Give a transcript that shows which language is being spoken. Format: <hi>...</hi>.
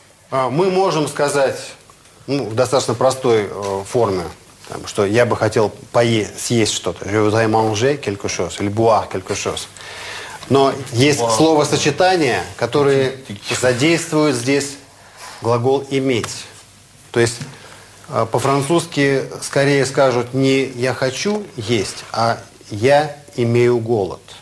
<ru>Мы можем сказать в достаточно простой форме, что я бы хотел съесть что-то.</ru> <fr>Je voudrais manger quelque chose.</fr> <ru>Или</ru> <fr>boire quelque chose.</fr> <ru>Но есть словосочетания, которые задействуют здесь глагол «иметь». То есть по-французски скорее скажут не «я хочу есть», а «я имею голод».</ru>